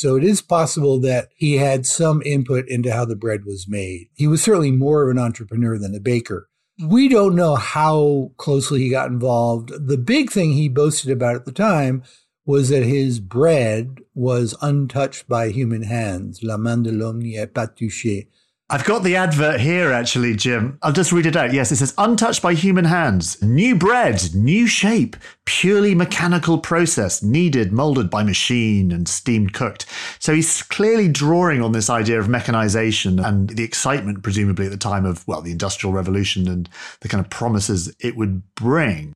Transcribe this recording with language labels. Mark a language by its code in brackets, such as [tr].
[en] So it is possible that he had some input into how the bread was made. He was certainly more of an entrepreneur than a baker. We don't know how closely he got involved. The big thing he boasted about at the time was that his bread was untouched by human hands. [fr] La main de l'homme n'y est pas touchée. [en] I've got the advert here, actually, Jim. I'll just read it out. Yes, it says, untouched by human hands. New bread, new shape, purely mechanical process, kneaded, molded by machine and steam cooked. So he's clearly drawing on this idea of mechanization and the excitement, presumably, at the time of, well, the Industrial Revolution and the kind of promises it would bring.